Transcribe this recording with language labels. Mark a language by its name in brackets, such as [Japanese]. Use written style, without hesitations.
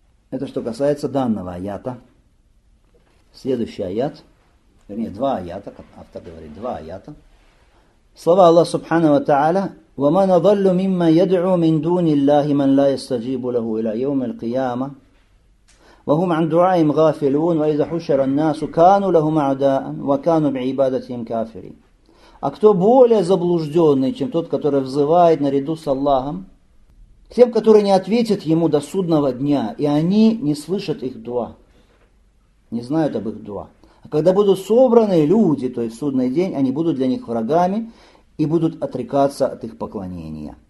[Russian] Это что касается данного аята. Следующий аят. Вернее, два аята, как автор говорит, два аята. Слова Аллаха Субхана ва Та'аля. [Arabic] «Вама надаллю мимма яд'у мин дуни Аллахи ман ла ястаджибу лаху иля йома аль-кияма». وهم عن دعائهم غافلون وإذا حشر الناس كانوا لهم أعداء وكانوا بعبادتهم كافرين. [Russian] А кто более заблужденный, чем тот, который взывает наряду с Аллахом, к тем, которые не ответят ему до судного дня, и они не слышат их дуа, не знают об их дуа. А когда будут собраны люди, то есть в судный день, они будут для них врагами и будут отрекаться от их поклонения.